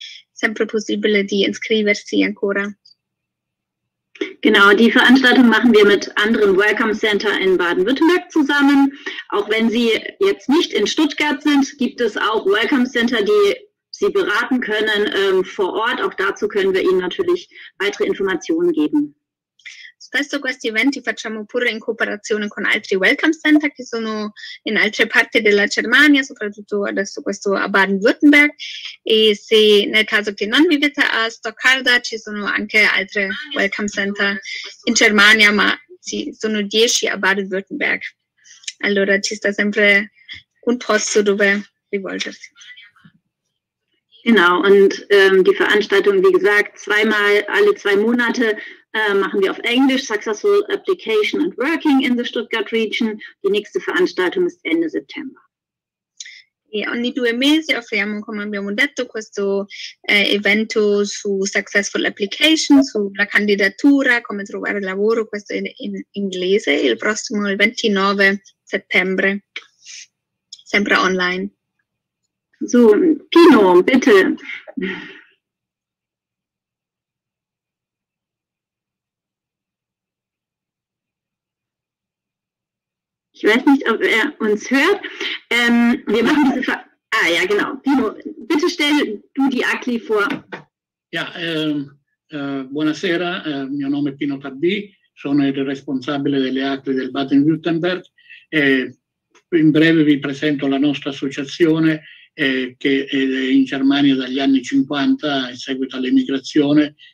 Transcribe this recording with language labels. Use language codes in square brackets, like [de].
[it] sempre possibile di iscriversi ancora. [de] Genau, die Veranstaltung machen wir mit anderen Welcome Center in Baden-Württemberg zusammen. Auch wenn Sie jetzt nicht in Stuttgart sind, gibt es auch Welcome Center, die Sie beraten können vor Ort. Auch dazu können wir Ihnen natürlich weitere Informationen geben. [it] Spesso questi eventi facciamo pure in cooperazione con altri Welcome Center che sono in altre parti della Germania, soprattutto adesso questo a Baden-Württemberg. E se nel caso che non vivete a Stoccarda, ci sono anche altre Welcome Center in Germania, ma ci sono 10 a Baden-Württemberg. Allora ci sta sempre un posto dove rivolgersi. [de] Genau, und die Veranstaltung, wie gesagt, alle zwei Monate machen wir auf Englisch, Successful Application and Working in the Stuttgart Region. Die nächste Veranstaltung ist Ende September. [it] E ogni due mesi offriamo, come abbiamo detto, questo evento su Successful Application, sulla candidatura, come trovare lavoro, questo in inglese, il prossimo, il 29 settembre, sempre online. [de] So, Pino, bitte. Ich weiß nicht, ob er uns hört. Wir machen diese genau. Pino, bitte stell du die ACLI vor. [it] Ja, buonasera, mio nome è Pino Tabbi, sono il responsabile delle ACLI del Baden-Württemberg. In breve vi presento la nostra associazione che è in Germania dagli anni 50, in seguito all'emigrazione.